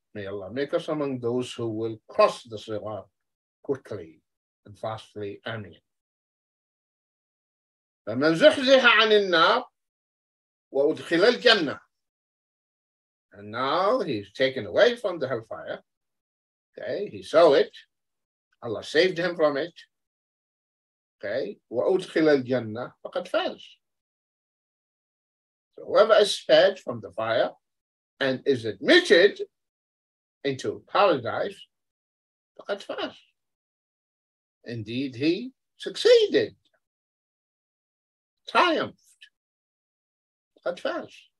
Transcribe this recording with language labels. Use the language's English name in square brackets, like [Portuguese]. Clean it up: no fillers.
[English] May Allah make us among those who will cross the sirat quickly and fastly. Ameen. [Arabic] فَمَنْ زُحْزِحَ عَنِ النَّارِ وَأُدْخِلَ الْجَنَّةِ. [English] And now he's taken away from the hellfire. Okay, he saw it. Allah saved him from it. [Arabic] Okay, وَأُدْخِلَ الْجَنَّةِ فَقَدْ فَازَ. [English] So whoever is spared from the fire and is admitted into paradise, [Arabic] فَقَدْ فَازَ. [English] Indeed, he succeeded, triumphed, [Arabic] فَقَدْ فَازَ.